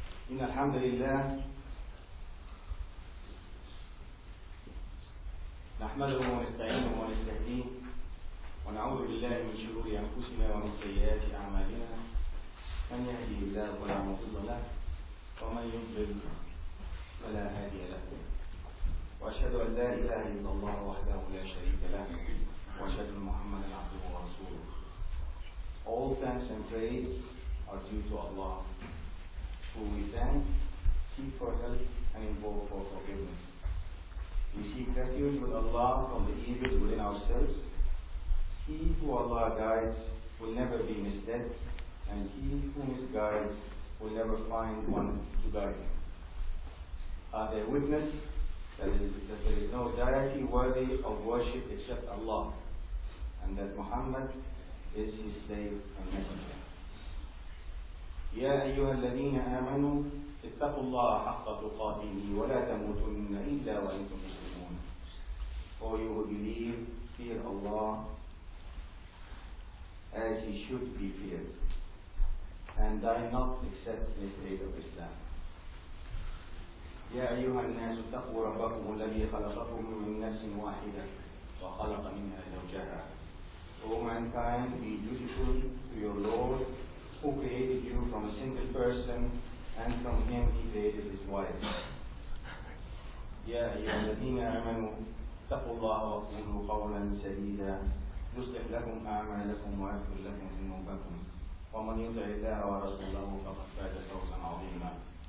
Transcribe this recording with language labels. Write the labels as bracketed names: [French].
[Arabic] إن الحمد لله نحمده ونستعينه ونستهديه ونعوذ بالله من شرور أنفسنا ومن سيئات أعمالنا من يهدي الله فلا مضل له ومن يضلل فلا هادي له وأشهد أن لا إله إلا الله وحده لا شريك له وأشهد أن محمدا عبده ورسوله. [English] All thanks and praise are due to Allah, who we thank, seek for help, and invoke for forgiveness. We seek refuge with Allah from the evils within ourselves. He who Allah guides will never be misled, and he who misguides will never find one to guide him. Are there witness that there is no deity worthy of worship except Allah, and that Muhammad is his slave and messenger? [Arabic] يا أيها الذين آمنوا اتقوا الله حق تقاته ولا تموتن إلا وأنتم مسلمون. [English] For you who believe, fear Allah as He should be feared, and die not except in the state of Islam. [Arabic] يا أيها الناس اتقوا ربكم الذي خلقكم من نفس واحدة وخلق منها زوجها. [English] O mankind, be dutiful to your Lord, who created you from a single person, and from him he created his wife. [Arabic] يَا أَيُّهَا الَّذِينَ آمَنُوا اتَّقُوا اللَّهَ وَقُولُوا قَوْلًا سَدِيدًا يُصْلِحْ لَكُمْ أَعْمَالَكُمْ وَيَغْفِرْ لَكُمْ ذُنُوبَكُمْ وَمَنْ يُطِعِ اللَّهَ وَرَسُولَهُ فَقَدْ فَازَ فَوْزًا عَظِيمًا.